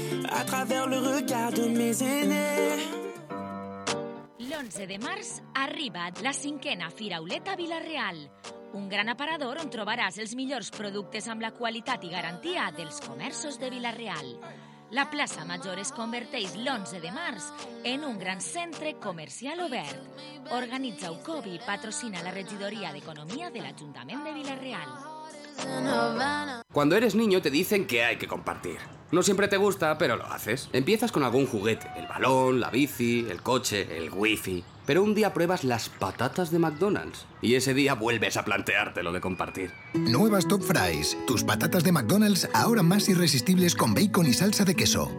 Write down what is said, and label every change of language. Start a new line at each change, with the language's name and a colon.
French: A través del regard de mes aînés.
Catalan: L'11 de març arriba la cinquena Fira Auleta Vila-real, un gran aparador on trobaràs els millors productes amb la qualitat i garantia dels comerços de Vila-real. La plaça Major es converteix l'11 de març en un gran centre comercial obert. Organitza UCOB i patrocina la regidoria d'Economia de l'Ajuntament de Vila-real.
Spanish: Cuando eres niño te dicen que hay que compartir. No siempre te gusta, pero lo haces. Empiezas con algún juguete, el balón, la bici, el coche, el wifi. Pero un día pruebas las patatas de McDonald's y ese día vuelves a plantearte lo de compartir. Nuevas Top Fries, tus patatas de McDonald's ahora más irresistibles con bacon y salsa de queso.